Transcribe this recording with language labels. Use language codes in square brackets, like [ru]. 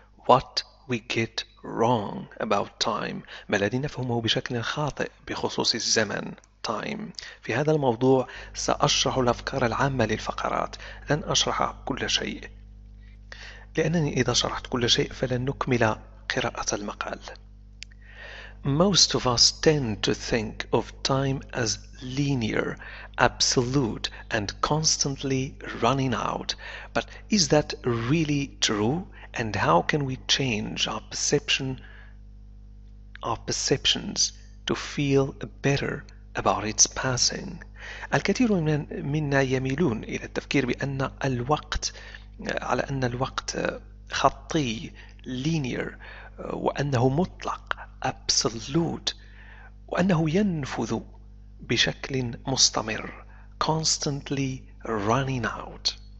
[en] What we get wrong about time، [ar] ما الذي نفهمه بشكل خاطئ بخصوص الزمن time. في هذا الموضوع سأشرح الأفكار العامة للفقرات، لن أشرح كل شيء لأنني إذا شرحت كل شيء فلن نكمل قراءة المقال. [en] Most of us tend to think of time as linear, absolute, and constantly running out. But is that really true? And how can we change our perceptions to feel better about its passing? [ar] الكثير منا يميلون إلى التفكير بأن الوقت على أن الوقت خطي linear وأنه مطلق absolute وأنه ينفذ بشكل مستمر constantly running out.